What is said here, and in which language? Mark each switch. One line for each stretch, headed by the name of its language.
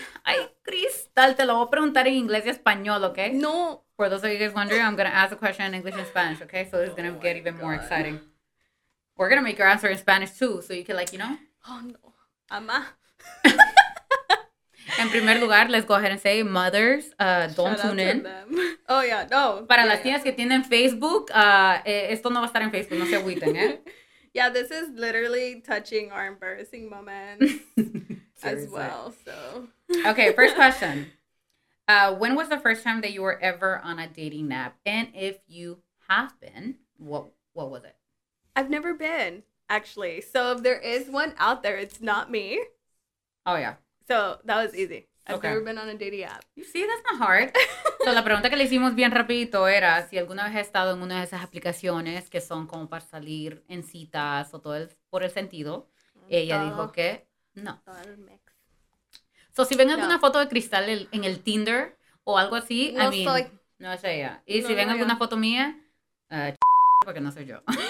Spanish: Ay, Cristal, te lo voy a preguntar en inglés y español, okay? No.
English: For those of you guys wondering, I'm going to ask a question in English and Spanish, okay? So this is going to get even more exciting. We're going to make your answer in Spanish, too, so you can, like, you know? Oh, no. Amá.
Spanish: En primer lugar,
English: let's go ahead and say, mothers, don't shout tune in. Them. Oh, yeah, no.
Spanish: Para
English: yeah,
Spanish: las tías que tienen Facebook, esto no va a estar en Facebook, no se agüiten, ¿eh?
English: Yeah, this is literally touching or embarrassing moments as well, so. Okay, first question. When was the first time that you were ever on a dating app? And if you have been, what was it? I've never been, actually. So if there is one out there, it's not me. Oh, yeah. So that was easy. I've never been on a dating app. You see, that's not hard.
Spanish: So la pregunta que le hicimos bien rapidito era si alguna vez has estado en una de esas aplicaciones que son como para salir en citas o todo por el sentido. Ella dijo que no. Todo el mix. So si ven alguna foto de Cristal en el Tinder o algo así, no es ella. Y si ven alguna foto mía, porque no soy yo.